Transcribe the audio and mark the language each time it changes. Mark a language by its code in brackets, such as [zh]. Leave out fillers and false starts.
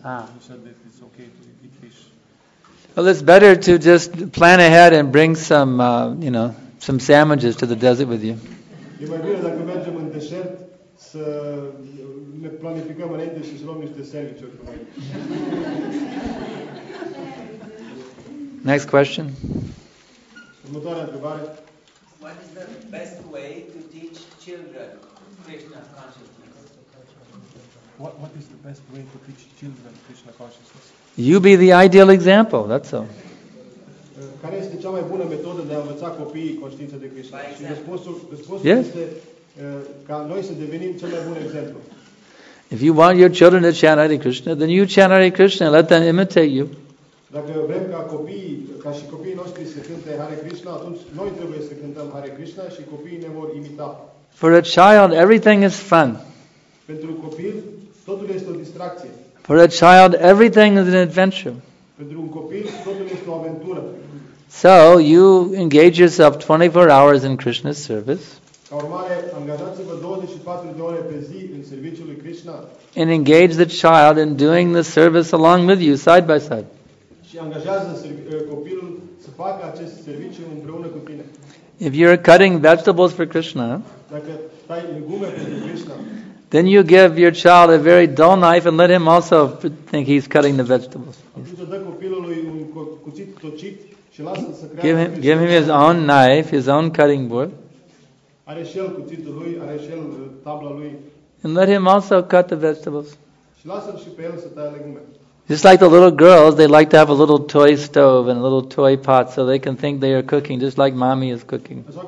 [en] He said that it's okay to eat fish. Well, it's better to just plan ahead and bring some, some sandwiches to the desert with you. [ro] E mai bine dacă mergem în deșert să ne planificăm înainte și să luăm niște sandwiches cu noi. [en] Next question. [ro] Următoarea întrebare. [en] What is the best way to teach children Krishna consciousness? What is the best way to teach children Krishna consciousness? You be the ideal example, that's all. [ro] Care este cea mai bună metodă de a învăța copiii conștiința de Krishna? Și răspunsul este ca noi să devenim cel mai bun exemplu. [en] If you want your children to chant Hare Krishna, then you chant Hare Krishna, let them imitate you. [ro] Dacă vrem ca copiii, ca și copiii noștri să cânte Hare Krishna, atunci noi trebuie să cântăm Hare Krishna și copiii ne vor imita. [en] For a child, everything is fun. [ro] Pentru copil, totul este o distracție. [en] For a child, everything is an adventure. [ro] Pentru un copil, totul este o aventură. [en] So, you engage yourself 24 hours in Krishna's service. [ro] Ca urmare, angajați-vă 24 de ore pe zi în serviciul lui Krishna. [en] And engage the child in doing the service along with you, side by side. [ro] Și angajează copilul să facă acest serviciu împreună cu tine. [en] If you're cutting vegetables for Krishna, [ro] dacă tai legume pentru Krishna, [en] then you give your child a very dull knife and let him also think he's cutting the vegetables. [ro] Atunci dă copilului un cuțit tocit și lasă să creadă. [en] Give him his own knife, his own cutting board. [ro] Are și el cuțitul lui, are și el tabla lui. [en] And let him also cut the vegetables. [ro] Și lasă-l și pe el să taie legume. [en] Just like the little girls, they like to have a little toy stove and a little toy pot so they can think they are cooking, just like mommy is cooking.